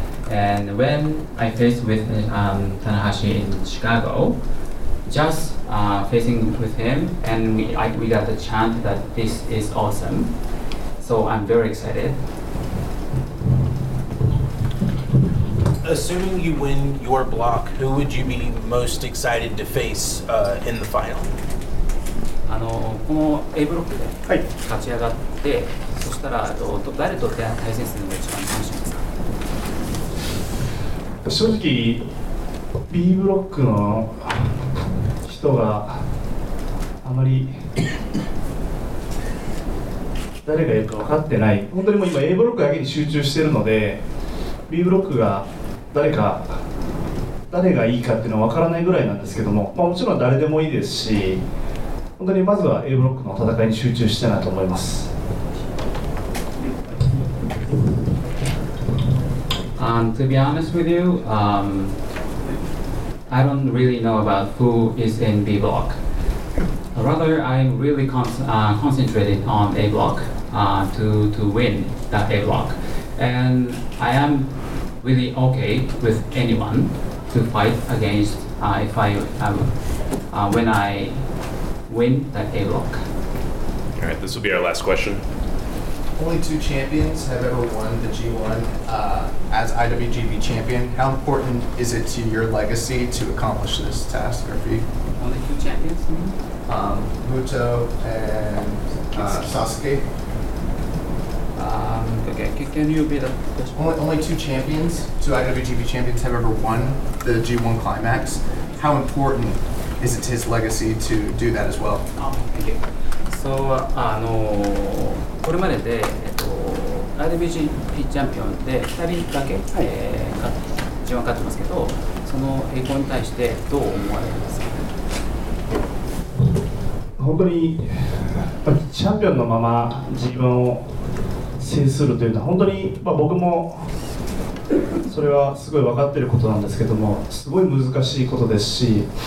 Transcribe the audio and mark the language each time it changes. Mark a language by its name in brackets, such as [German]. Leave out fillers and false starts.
[English] And when I faced with Tanahashi in Chicago, just facing with him, and we got the chance that this is awesome. So I'm very excited. Assuming you win your block, who would you be most excited to face in the final? [Japanese] この A ブロックで勝ち上がって、はい、そしたら誰と対戦するのが一番楽しみですか。正直 B ブロックの人があまり誰がいるか分かってない。本当にもう今 A ブロックだけに集中しているので、 B ブロックが誰がいいかっていうのは分からないぐらいなんですけども、まあ、もちろん誰でもいいですし、本当にまずは A ブロックの戦いに集中したいなと思います。 [English] To be honest with you, I don't really know about who is in B block. Rather, I'm really concentrated on A block to win that A block. And I am really okay with anyone to fight against when I win that A block. All right, this will be our last question. Only two champions have ever won the G1 as IWGP champion. How important is it to your legacy to accomplish this task, Murphy? Only two champions? Muto and Sasuke. Okay, can you be the first? Only two champions, two IWGP champions have ever won the G1 climax. How important is it to his legacy to do that as well? Oh, thank you. [Japanese] So, これまでで、IWGP チャンピオンで2人だけ、はい、順番勝ってますけど、その栄光に対してどう思われますか？本当にやっぱチャンピオンのまま自分を制するというのは本当に、まあ、僕もそれはすごい分かっていることなんですけども、すごい難しいことですし、